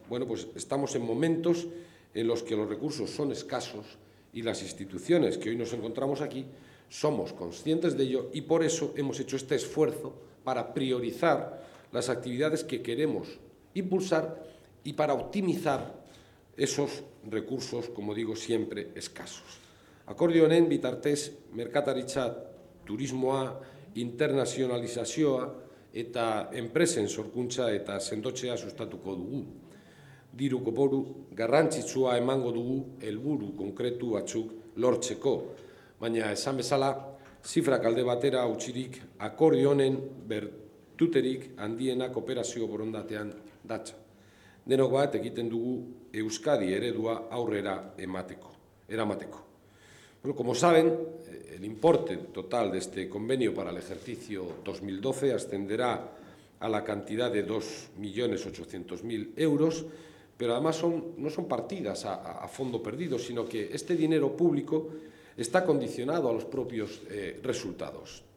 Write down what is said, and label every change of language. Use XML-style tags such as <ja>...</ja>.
<es>Bueno, pues estamos en momentos en los que los recursos son escasos y las instituciones que hoy nos encontramos aquí somos conscientes de ello y por eso hemos hecho este esfuerzo para priorizar las actividades que queremos impulsar y para optimizar esos recursos, como digo, siempre escasos.</es> <eu>Akordio honen bitartez, merkataritza turismoa, internazionalizazioa eta enpresen sorkuntza eta sendotzea sustatuko dugu. Diru kopuru garrantzitsua emango dugu helburu konkretu batzuk lortzeko, baina esan bezala, zifrak alde batera utzirik akordio honen bertuterik handiena kooperazio borondatean datza. Denok bat egiten dugu Euskadi eredua aurrera eramateko.</eu> <es>Bueno, como saben, el importe total de este convenio para el ejercicio 2012 ascenderá a la cantidad de 2.800.000 euros, pero además no son partidas a fondo perdido, sino que este dinero público está condicionado a los propios resultados.</es>